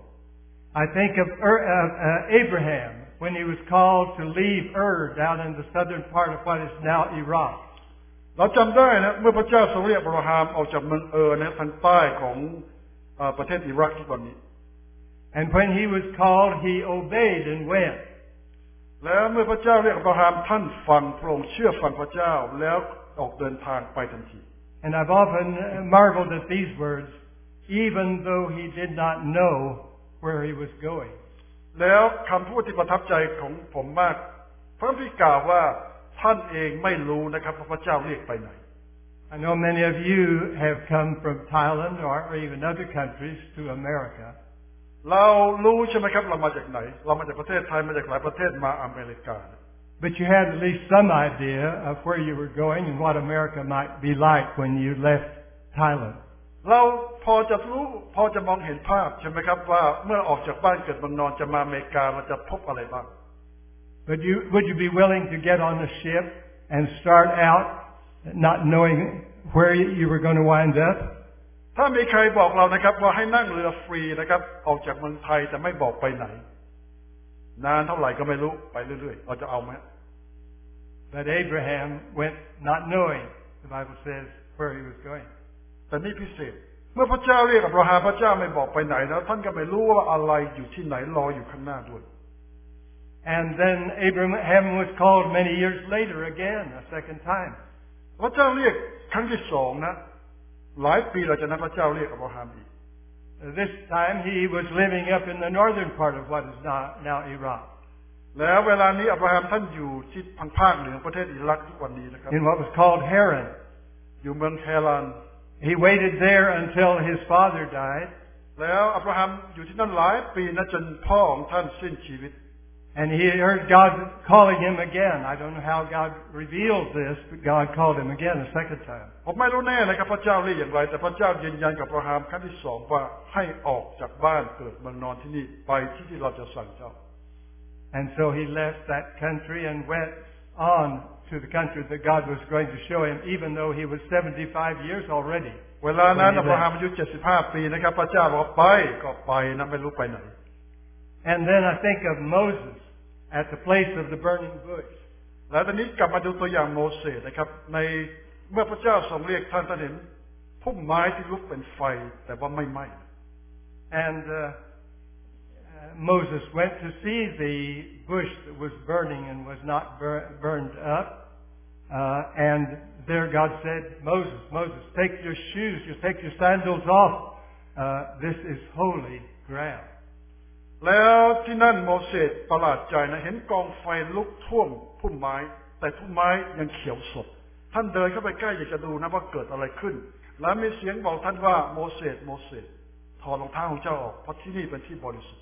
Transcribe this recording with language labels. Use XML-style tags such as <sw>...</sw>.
<en>I think of Abraham when he was called to leave Ur down in the southern part of what is now Iraq</en> <th>เราจำได้นะเมื่อพระเจ้าทรงเรียกอับราฮัมออกจากเมืองนะทางใต้ของประเทศอิรักที่ตอนนี้</th> <en>And when he was called he obeyed and went</en> <th>แล้วเมื่อพระเจ้าเรียกอับราฮัมท่านฟังพระองค์เชื่อฟังพระเจ้าแล้วออกเดินทางไปทันที</th> <en>And I've often marveled at these words even though he did not know where he was going</en> <th>แล้วคำพูดที่ประทับใจของผมมากพระคัมภีร์กล่าวว่าท่านเองไม่รู้นะครับว่าพระเจ้าเรียกไปไหน</th> <en>I know many of you have come from Thailand or even other countries to America</en> <th>เรารู้ใช่ไหมครับเรามาจากไหนเรามาจากประเทศไทยมาจากหลายประเทศมาอเมริกา</th> <en>But you had at least some idea of where you were going and what America might be like when you left Thailand.</en> <th>เราพอจะรู้พอจะมองเห็นภาพใช่ไหมครับว่าเมื่อออกจากบ้านเกิดเมืองนอนจะมาอเมริกาเราจะพบอะไรบ้าง</th> <en>But you would you be willing to get on a ship and start out not knowing where you were going to wind up?</en> <th>ถ้ามีใครบอกเรานะครับว่าให้นั่งเรือฟรีนะครับออกจากเมืองไทยแต่ไม่บอกไปไหนนานเท่าไหร่ก็ไม่รู้ไปเรื่อยๆเราจะเอามั้ย</th> <en>But Abraham went not knowing the Bible says where he was going</en> <th>แต่นี่พิเศษเมื่อพระเจ้าเรียกอับราฮัมพระเจ้าไม่บอกไปไหนแล้วท่านก็ไม่รู้ว่าอะไรอยู่ที่ไหนรออยู่ข้างหน้าด้วย</th> <en>And then Abraham was called many years later again a second time</en> <th>พระเจ้าเรียกครั้งที่2นะหลายปีหลังจากนั้นพระเจ้าเรียกอับราฮัมอีก</th> <en>This time he was living up in the northern part of what is now Iraq.</en> <th>แล้วเวลานี้อับราฮัมท่านอยู่ที่ทางภาคเหนือประเทศอิรักทุกวันนี้นะครับ</th> <en>In what was called Haran.</en> <th>อยู่เมืองเฮรัน</th> <en>He waited there until his father died.</en> <th>แล้วอับราฮัมอยู่ที่นั่นหลายปีนะจนพ่อของท่านสิ้นชีวิต</th> <en>And he heard God calling him again. I don't know how God revealed this, but God called him again a second time.</en> <th>ผมไม่รู้แน่นะครับพระเจ้าเรียกอย่างไรแต่พระเจ้ายืนยันกับอับราฮัมครั้งที่สองว่าให้ออกจากบ้านเกิดเมืองนอนที่นี่ไปที่ที่เราจะสั่งเจ้า</th> <en>And so he left that country and went on to the country that God was going to show him, even though he was 75 years already.</en> <th>เวลานั้นอับราฮัมอายุ75ปีนะครับพระเจ้าบอกไปก็ไปนะไม่รู้ไปไหน</th> <en>And then I think of Moses at the place of the burning bush.</en> <th>แล้วตอนนี้กลับมาดูตัวอย่างโมเสสนะครับในเมื่อพระเจ้าทรงเรียกท่านท่านเห็นพุ่มไม้ที่ลุกเป็นไฟแต่ว่าไม่ไหม้</th> <en>And Moses went to see the bush that was burning and was not burned up. And there God said, Moses, take your shoes, you take your sandals off. This is holy ground.</en> <th>แล้วที่นั่นโมเสสประหลาดใจนะเห็นกองไฟลุกท่วมพุ่มไม้แต่พุ่มไม้ยังเขียวสดท่านเดินเข้าไปใกล้อยากจะดูนะว่าเกิดอะไรขึ้นแล้วมีเสียงบอกท่านว่าโมเสสถอดรองเท้าของเจ้าออกเพราะที่นี่เป็นที่บริสุทธิ</th>